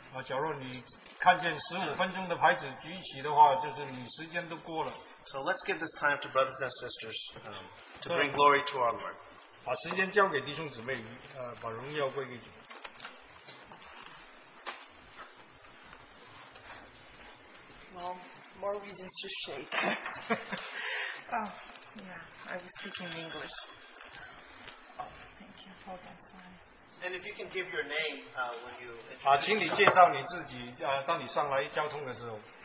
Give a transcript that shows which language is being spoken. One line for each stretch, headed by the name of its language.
Chinese: 假如你看见15分钟的牌子举起的话, 就是你时间都过了。
English: So let's give this time to brothers and sisters to bring glory to our Lord.
Chinese: 把时间交给弟兄姊妹, 把荣耀归给主。
English: Well, more reasons to shake. I was speaking English. Thank you. Hold on, sorry. And if you can give your name when you...
Chinese: 请你介绍你自己, 当你上来交通的时候。